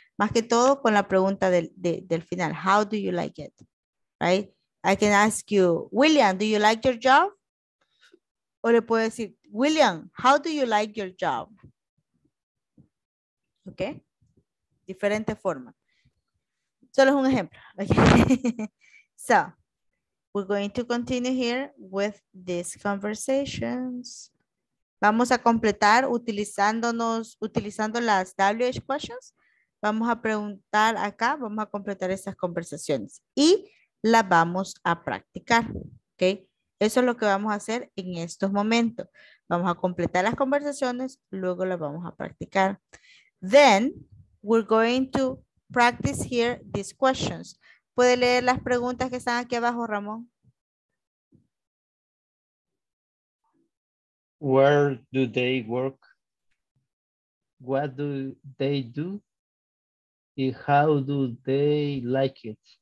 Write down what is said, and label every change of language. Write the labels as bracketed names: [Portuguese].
[Spanish] Más que todo con la pregunta del final. [English] How do you like it? Right? I can ask you, William, do you like your job? [Spanish] O le puedo decir, [English] William, how do you like your job? [Spanish] ¿Ok? Diferente forma. Solo es un ejemplo. Okay. [English] So, we're going to continue here with these conversations. [Spanish] Vamos a completar utilizando las WH questions. Vamos a preguntar acá, vamos a completar estas conversaciones. Y la vamos a practicar, ¿ok? Eso es lo que vamos a hacer en estos momentos. Vamos a completar las conversaciones, luego las vamos a practicar. [English] Then, we're going to practice here these questions. [Spanish] ¿Puede leer las preguntas que están aquí abajo, Ramón? [English] Where do they work? What do they do? And how do they like it?